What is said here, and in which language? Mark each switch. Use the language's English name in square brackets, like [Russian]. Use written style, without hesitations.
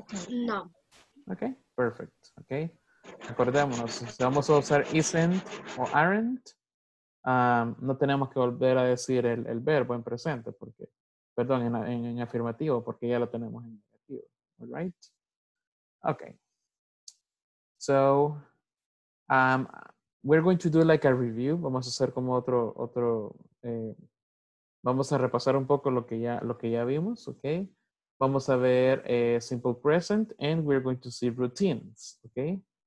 [Spanish] No. [English] Ok, perfect. Ok. [Spanish] Acordémonos, si vamos a usar isn't o aren't, no tenemos que volver a decir el verbo en presente, porque, perdón, en afirmativo, porque ya lo tenemos en negativo. [English] All right? Okay. So, we're going to do like a review. [Spanish] Vamos a hacer como otro vamos a repasar un poco lo que ya vimos, okay? Vamos a ver [English] simple present and we're going to see routines, okay?